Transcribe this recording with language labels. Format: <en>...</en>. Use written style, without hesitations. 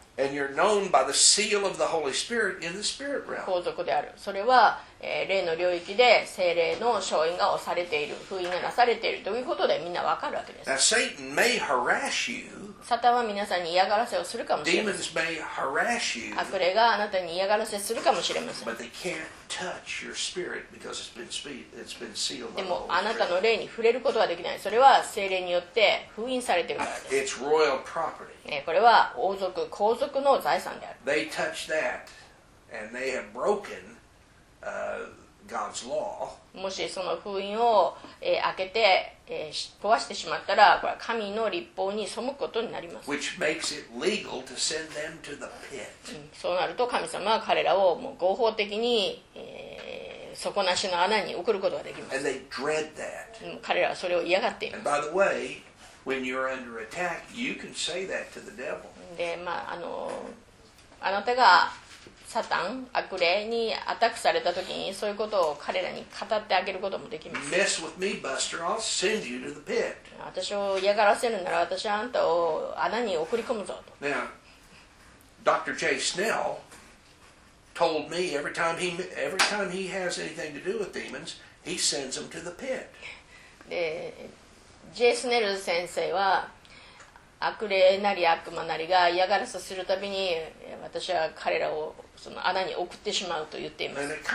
<en>And you're known by the seal of the Holy Spirit in the spirit realm.</en> <ja>王族である。それは、霊の領域で聖霊の証印が押されている、封印がなされているということでみんなわかるわけです。</ja> <en>Now, Satan may harass you.</en> <ja>サタンは皆さんに嫌がらせをするかもしれません。</ja> <en>Demons may harass you.</en> <ja>悪霊があなたに嫌がらせするかもしれません。</ja> <en>But they can't touch your spirit because it's been sealed.</en> <ja>でもあなたの霊に触れることはできない。それは聖霊によって封印されているからです。</ja> <en>It's royal property.</en> <ja>これは王族、皇族の財産である。</ja> <en>They touch that and they have broken. God's law.</en> <ja>もしその封印を、開けて、壊してしまったら、これは神の律法に背くことになります。</ja> <en>Which makes it legal to send them to the pit.</en> <ja>そうなると神様は彼らをもう合法的に、底なしの穴に送ることができます。</ja> <en>And they dread that.</en> <ja>彼らはそれを嫌がっています。</ja> <en>And by the way, when you're under attack, you can say that to the devil.</en> <ja>で、まあ、あなたがサタン、悪霊にアタックされた時にそういうことを彼らに語ってあげることもできます。</ja> <en>Mess with me, Buster. I'll send you to the pit.</en> <ja>私を嫌がらせるなら私はあんたを穴に送り込むぞと。</ja> <en>Now, Dr. J. Snell told me every time he has anything to do with demons, he sends them to the pit.</en> <ja>で、J. Snell 先生は悪霊なり悪魔なりが嫌がらせするたびに私は彼らをその穴に送ってしまうと言っています。</ja>